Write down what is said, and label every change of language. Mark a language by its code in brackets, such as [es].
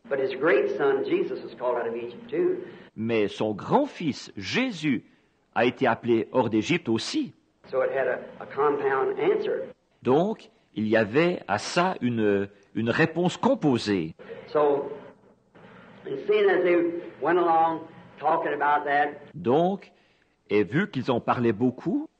[en] But his great son, Jesus, was called out of Egypt too. [fr] Mais son grand-fils, Jésus, a été appelé hors d'Égypte aussi. [en] So it had a compound answer. [fr] Donc, il y avait à ça une réponse composée. [en] So, and seeing as they went along talking about that, [fr] donc, et vu qu'ils en parlaient beaucoup,